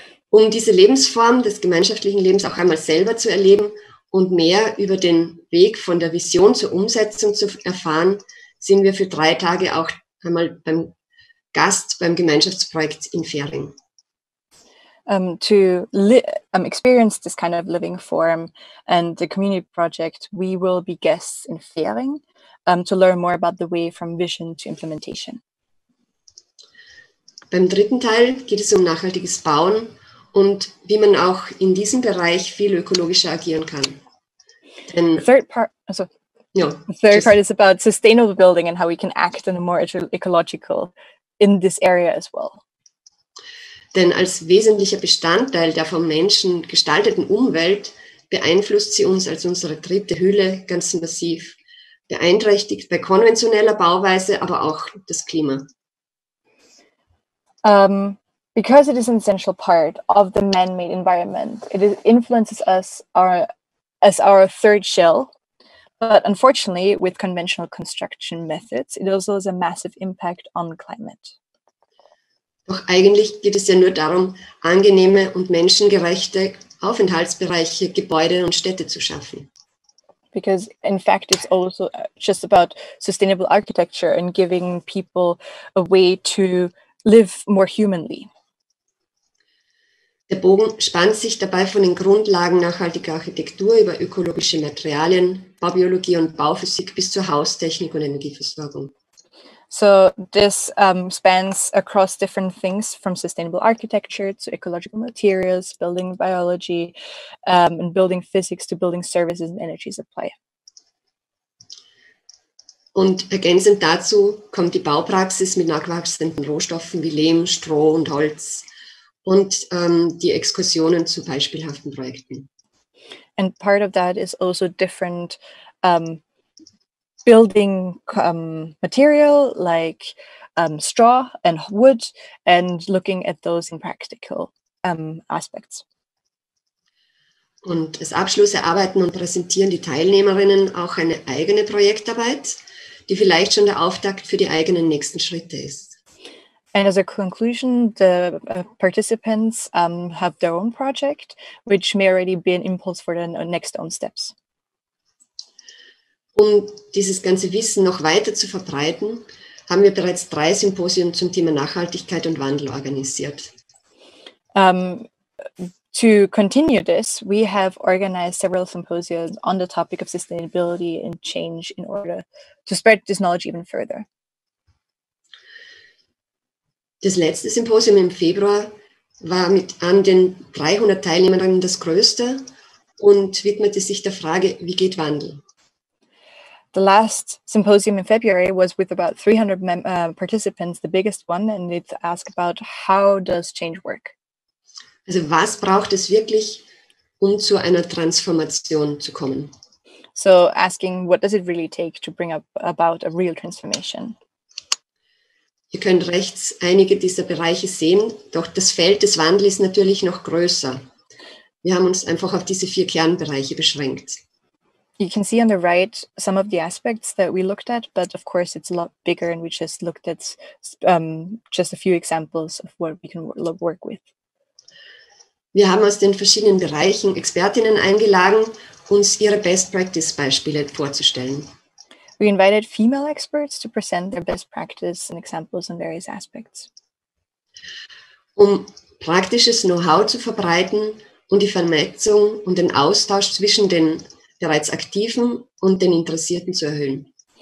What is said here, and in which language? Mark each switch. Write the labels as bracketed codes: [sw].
[de] Um diese Lebensform des gemeinschaftlichen Lebens auch einmal selber zu erleben und mehr über den Weg von der Vision zur Umsetzung zu erfahren, sind wir für 3 Tage auch einmal beim Gast beim Gemeinschaftsprojekt in Fähring. [en] To experience this kind of living form and the community project, we will be guests in Fähring to learn more about the way from vision to implementation. [de] Beim dritten Teil geht es um nachhaltiges Bauen und wie man auch in diesem Bereich viel ökologischer agieren kann. [en] The third part is about sustainable building and how we can act in a more ecological in this area as well. [de] Denn als wesentlicher Bestandteil der vom Menschen gestalteten Umwelt beeinflusst sie uns als unsere dritte Hülle ganz massiv, beeinträchtigt bei konventioneller Bauweise, aber auch das Klima. [en] Because it is an essential part of the man-made environment, it influences us as our third shell. But unfortunately, with conventional construction methods, it also has a massive impact on climate. [de] Doch eigentlich geht es ja nur darum, angenehme und menschengerechte Aufenthaltsbereiche, Gebäude und Städte zu schaffen. [en] Because in fact, it's also just about sustainable architecture and giving people a way to live more humanly. [de] Der Bogen spannt sich dabei von den Grundlagen nachhaltiger Architektur über ökologische Materialien, Baubiologie und Bauphysik bis zur Haustechnik und Energieversorgung. [en] So this spans across different things from sustainable architecture to ecological materials, building biology and building physics to building services and energy supply. [de] Und ergänzend dazu kommt die Baupraxis mit nachwachsenden Rohstoffen wie Lehm, Stroh und Holz. Und die Exkursionen zu beispielhaften Projekten. [en] And part of that is also different building material like straw and wood and looking at those in practical aspects. [de] Und als Abschluss erarbeiten und präsentieren die Teilnehmerinnen auch eine eigene Projektarbeit, die vielleicht schon der Auftakt für die eigenen nächsten Schritte ist. [en] And as a conclusion, the participants have their own project, which may already be an impulse for the next own steps. [de] Um dieses ganze Wissen noch weiter zu verbreiten, haben wir bereits 3 Symposien zum Thema Nachhaltigkeit und Wandel organisiert. [en] To continue this, we have organized several symposiums on the topic of sustainability and change in order to spread this knowledge even further. [de] Das letzte Symposium im Februar war mit an den 300 Teilnehmern das größte und widmete sich der Frage, wie geht Wandel? [en] The last symposium in February was with about 300 participants, the biggest one, and it asked about how does change work? [de] Also was braucht es wirklich, um zu einer Transformation zu kommen? [en] So asking, what does it really take to bring up about a real transformation? [de] Ihr könnt rechts einige dieser Bereiche sehen, doch das Feld des Wandels ist natürlich noch größer. Wir haben uns einfach auf diese 4 Kernbereiche beschränkt. [en] You can see on the right some of the aspects that we looked at, but of course it's a lot bigger and we just looked at just a few examples of what we can work with. [de] Wir haben aus den verschiedenen Bereichen Expertinnen eingeladen, uns ihre Best Practice Beispiele vorzustellen. [en] We invited female experts to present their best practice and examples on various aspects. [de] Um praktisches Know-how zu verbreiten und die Vernetzung und den Austausch zwischen den bereits Aktiven und den Interessierten zu erhöhen.